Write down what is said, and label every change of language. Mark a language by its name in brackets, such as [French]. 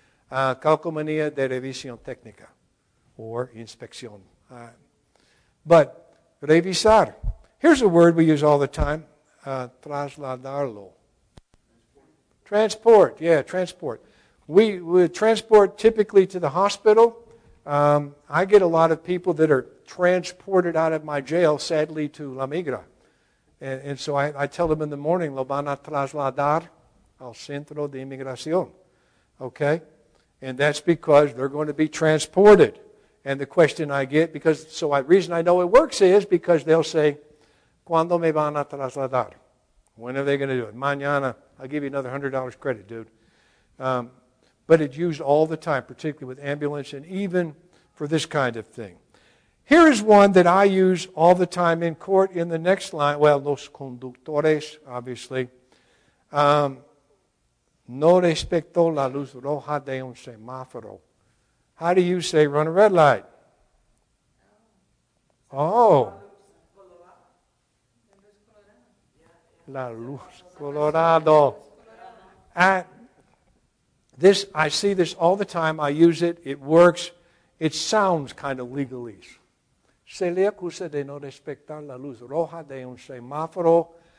[Spanish] Calcomanía de revisión técnica. [English] Or inspección. But revisar. Here's a word we use all the time. Trasladarlo. Transport. Yeah, transport. We transport typically to the hospital. I get a lot of people that are transported out of my jail, sadly, to La Migra. And so I tell them in the morning, [Spanish] lo van a trasladar al centro de inmigración. [English] Okay? And that's because they're going to be transported. And the question I get, because so the reason I know it works is because they'll say, [Spanish] ¿cuándo me van a trasladar? [English] When are they going to do it? Mañana. I'll give you another $100 credit, dude. But it's used all the time, particularly with ambulance and even for this kind of thing. Here is one that I use all the time in court in the next line. Well, [Spanish] los conductores, [English] obviously. [Spanish] No respecto la luz roja de un semáforo. [English] How do you say run a red light? Oh. [Spanish] La luz colorado. [English] This I see this all the time. I use it. It works. It sounds kind of legalese. [Spanish] Se le acusa de no respetar la luz roja de un semáforo.